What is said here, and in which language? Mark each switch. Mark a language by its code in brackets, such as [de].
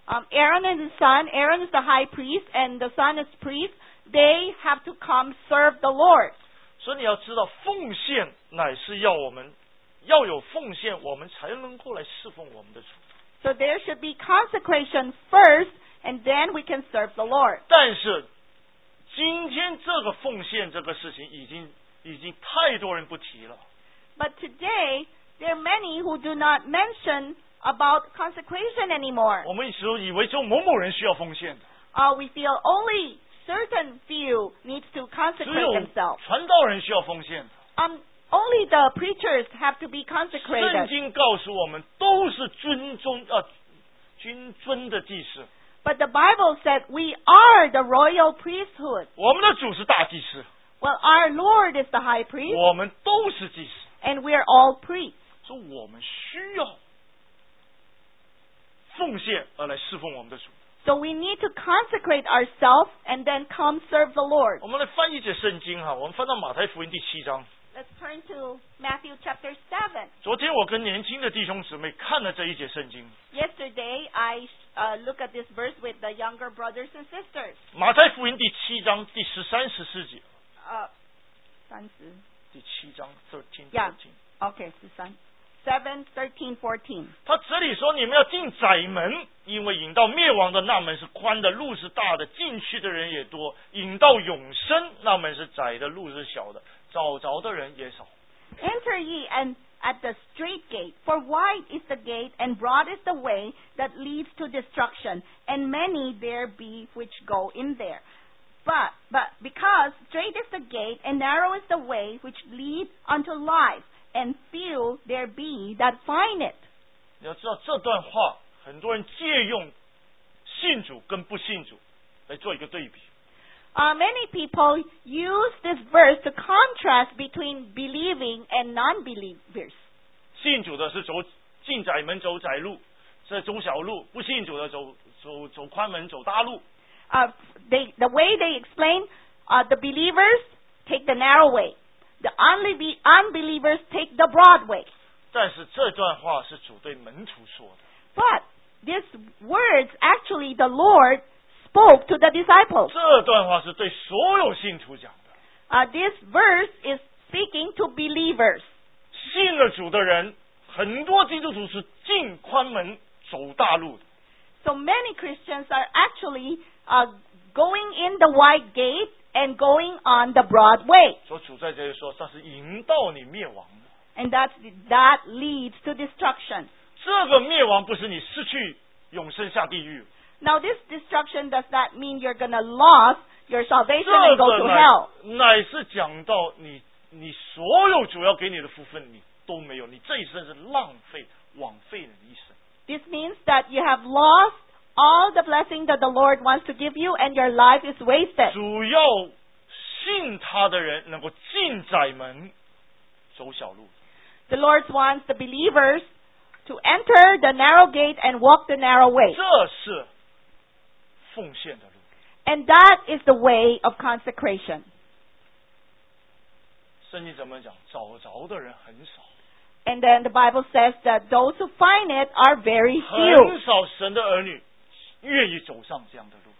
[en] Aaron and his son, Aaron is the high priest and the son is priest, they have to come serve the Lord. [zh] 所以你要知道奉献乃是要我们要有奉献我们才能够来侍奉我们的主。 [en] So there should be consecration first and then we can serve the Lord. [zh] 但是今天这个奉献这个事情已经太多人不提了。 [en] But today, there are many who do not mention about consecration anymore. [zh] 我们一直以为只有某某人需要奉献的。 [en] We feel only certain few need to consecrate themselves. [zh] 只有传道人需要奉献的。 [en] Only the preachers have to be consecrated. [zh] 圣经告诉我们都是君尊的祭司。 [en] But the Bible said we are the royal priesthood. [zh] 我们的主是大祭司。 [en] Well, our Lord is the high priest. [zh] 我们都是祭司。 [en] And we are all priests. [zh] 所以我们需要奉献而来侍奉我们的主。 [en] So we need to consecrate ourselves and then come serve the Lord. [zh] 我们来翻一节圣经哈，我们翻到马太福音第七章。 [en] Let's turn to Matthew chapter 7. [zh] 昨天我跟年轻的弟兄姊妹看了这一节圣经。 [en] Yesterday, look at this verse with the younger brothers and sisters. [zh] 马太福音第七章第十三十四节。第七章 13-14. [en] Yeah, okay, 7:13-14. [zh] 他这里说你们要进窄门，因为引到灭亡的那门是宽的，路是大的，进去的人也多，引到永生那门是窄的，路是小的，找着的人也少。 [en] Enter ye and at the straight gate, for wide is the gate and broad is the way that leads to destruction, and many there be which go in there. But because straight is the gate and narrow is the way which leads unto life, and few there be that find it. [zh] 你要知道这段话很多人借用信主跟不信主来做一个对比。 [en] Many people use this verse to contrast between believing and non-believers. [zh] 信主的是走进窄门走窄路，是走小路；不信主的走宽门走大路。 [en] The way they explain, the believers take the narrow way. The unbelievers take the broad way. [zh] 但是这段话是主对门徒说的。 [en] But these words actually the Lord spoke to the disciples. [zh] 这段话是对所有信徒讲的。 [en] This verse is speaking to believers. [zh] 信了主的人，很多基督徒是进宽门走大路的。 [en] So many Christians are actually going in the wide gate and going on the broad way. [zh] 所以主在这里说，这是引导你灭亡的。 [en] And that leads to destruction. [zh] 这个灭亡不是你失去永生下地狱。 [en] Now this destruction does not mean you're going to lose your salvation and go to hell. [zh] 乃是讲到你所有主要给你的福分你都没有，你这一生是浪费枉费了一生。 [en] This means that you have lost all the blessing that the Lord wants to give you and your life is wasted. [zh] 主要信他的人能够进窄门走小路。 [en] The Lord wants the believers to enter the narrow gate and walk the narrow way. [zh] 这是奉献的路。 [en] And that is the way of consecration. [zh] 圣经怎么讲？找着的人很少。 [en] And then the Bible says that those who find it are very few. [zh] 很少神的儿女愿意走上这样的路。